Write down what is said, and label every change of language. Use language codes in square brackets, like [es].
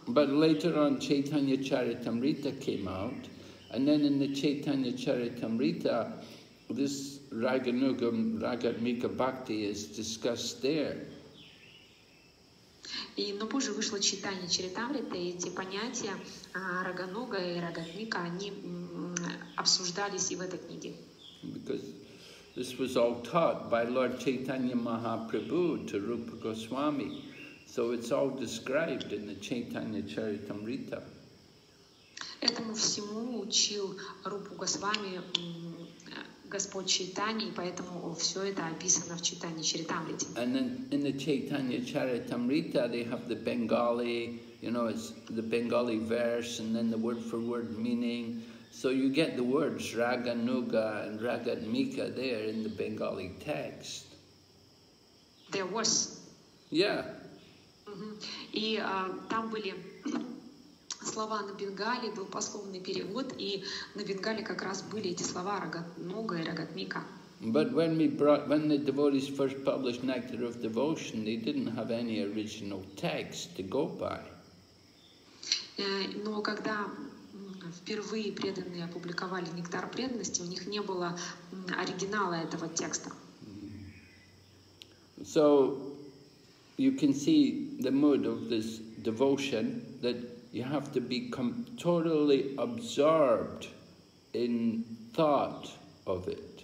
[en] But later on, Chaitanya Charitamrita came out, and then in the Chaitanya Charitamrita, this Raganuga, Ragatmika Bhakti is discussed there. [ru] И, но позже вышло читание Чаритамриты, и эти понятия Рагануга и Рагатмика, они обсуждались и в этой книге. [en] Because this was all taught by Lord Chaitanya Mahaprabhu to Rupa Goswami. So it's all described in the Chaitanya Charitamrita. [ru] Этому всему учил Рупу Госвами Господь Чайтанья, и поэтому все это описано в Чайтанье Чаритамрите. [en] And then in the Chaitanya Charitamrita they have the Bengali, you know, it's the Bengali verse and then the word for word meaning. So you get the words Raganuga and Ragatmika there in the Bengali text. There was. Yeah. [ru] И там были слова на бенгали, был пословный перевод, и на бенгали как раз были эти слова Рагануга и Рагатмика. [en] But when the devotees first published Nectar of Devotion, they didn't have any original text to go by. [ru] Но когда впервые преданные опубликовали Нектар преданности, у них не было оригинала этого текста. [en] So you can see the mood of this devotion that you have to be totally absorbed in thought of it.